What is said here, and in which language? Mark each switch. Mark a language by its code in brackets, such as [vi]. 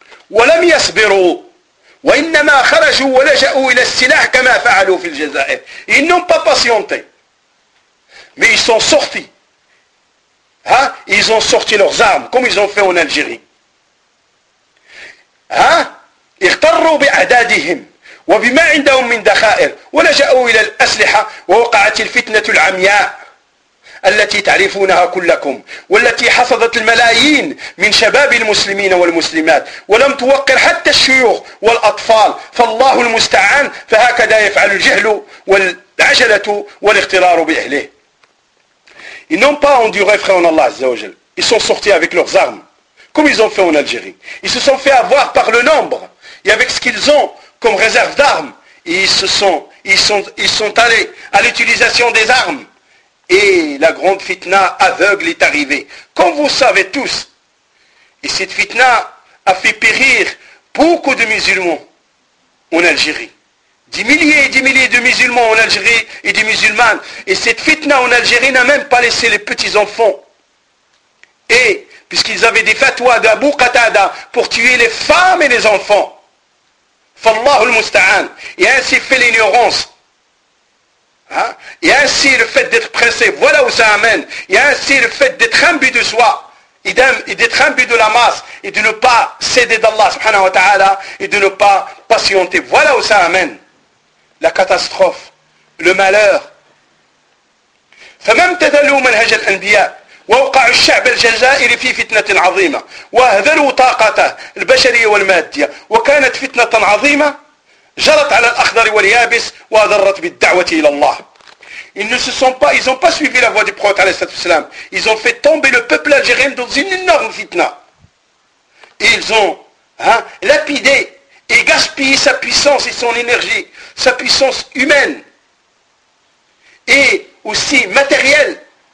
[ar] وَلَمْ يَصْبِرُوا وَإِنَّمَا خَرَجُوا وَلَجَأُوا إِلَى السِّلَاحِ كَمَا فَعَلُوا فِي الْجَزَائِرِ. [fr] Ils n'ont pas patienté. Mais ils sont sortis. Hein? Ils ont sorti leurs armes, comme ils ont fait en Algérie. Hein? [ar] اِغْتَرُوا بِعَدَادِهِمْ وَبِمَا عِنْدَهُمْ مِنْ دَخَائِرِ وَلَجَأُوا إِلَى الْأَسْلِحَةِ وَوَقَعَتِ الْفِتْنَةُ الْعَمْيَاءِ التي تعرفونها كلكم والتي حصدت الملايين من شباب المسلمين والمسلمات ولم توقر حتى الشيوخ والأطفال فالله المستعان فهكذا يفعل الجهل والعجلة والاغترار بأهله. [fr] Ils n'ont pas enduré, frère en Allah Azza wa Jal. Ils sont sortis avec leurs armes, comme ils ont fait en Algérie. Ils se sont fait avoir par le nombre et avec ce qu'ils ont comme réserve d'armes. Ils sont allés à l'utilisation des armes. Et la grande fitna aveugle est arrivée, comme vous savez tous. Et cette fitna a fait périr beaucoup de musulmans en Algérie. Des milliers de musulmans en Algérie et de musulmanes. Et cette fitna en Algérie n'a même pas laissé les petits-enfants. Et puisqu'ils avaient des fatwas d'Abu Qatada pour tuer les femmes et les enfants. [ar] Fallahu al-musta'an. [fr] Et ainsi fait l'ignorance. Hein? Et ainsi le fait d'être pressé, voilà où ça amène. Et ainsi le fait d'être imbu de soi, et d'être imbu de la masse, et de ne pas céder d'Allah subhanahu wa ta'ala, et de ne pas patienter, voilà où ça amène. La catastrophe, le malheur. [ar] فَمَمْ تَذَلُوا مَنْهَجَ الْأَنْبِيَاءِ ووقعوا الشعب الجزائري في فتنة عظيمة وأهدروا طاقته البشرية والمادية وكانت فتنة عظيمة جرت على الأخضر واليابس وأضرت بالدعوة إلى الله. [fr] Ils ne se sont pas, ils n'ont pas suivi la voie du prophète [ar] عليه الصلاة والسلام. [fr] Ils ont fait tomber le peuple algérien dans une énorme fitna. Et ils ont lapidé et gaspillé sa puissance et son énergie, sa puissance humaine et aussi matérielle.